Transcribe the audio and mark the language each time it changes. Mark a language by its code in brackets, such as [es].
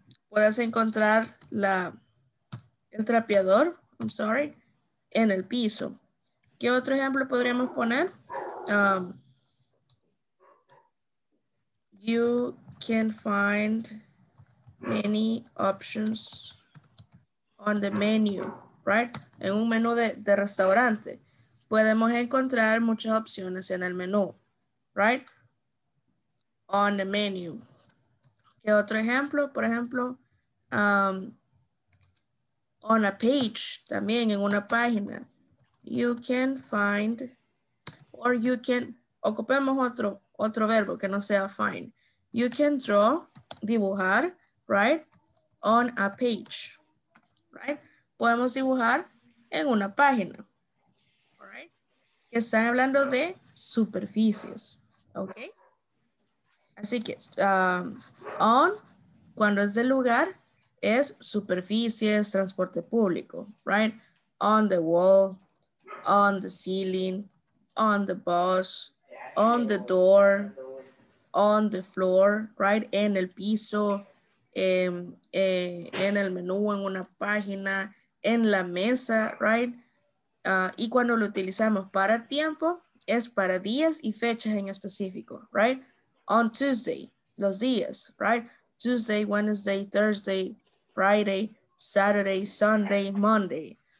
[es] Puedes encontrar la, el trapeador, [en] I'm sorry, [es] en el piso. ¿Qué otro ejemplo podríamos poner? [en] You can find many options on the menu, right? [es] En un menú de restaurante. Podemos encontrar muchas opciones en el menú, right? [en] On the menu. [es] ¿Qué otro ejemplo? Por ejemplo, [en] on a page, [es] también en una página. [en] You can find, or you can, [es] ocupemos otro verbo que no sea [en] find. You can draw, dibujar, right? On a page, right? [es] podemos dibujar en una página. Que están hablando de superficies. ¿Ok? Así que on, cuando es del lugar, es superficies, transporte público. [en] Right? On the wall, on the ceiling, on the bus, on the door, on the floor, right? [es] En el piso, en el menú, en una página, en la mesa, right? Y cuando lo utilizamos para tiempo, es para días y fechas en específico, right? [en] On Tuesday, [es] los días, [en] right? Tuesday, Wednesday, Thursday, Friday, Saturday, Sunday, Monday.